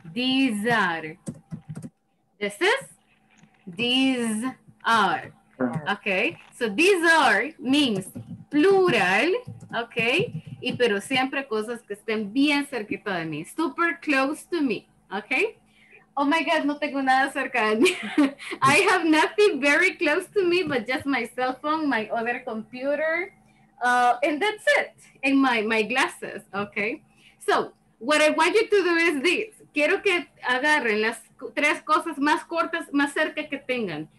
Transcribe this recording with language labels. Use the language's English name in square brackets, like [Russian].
[English] These are. This is. These are. Okay. So these are means plural. Okay. [Spanish] Y pero siempre cosas que estén bien cerquita de mí. [English] Super close to me. Okay. [Spanish] Oh my God, no tengo nada cerca de mí. [English] I have nothing very close to me, but just my cell phone, my other computer, and that's it, and my glasses, okay? So, what I want you to do is this. [Spanish] Quiero que agarren las tres cosas más cortas, más cerca que tengan.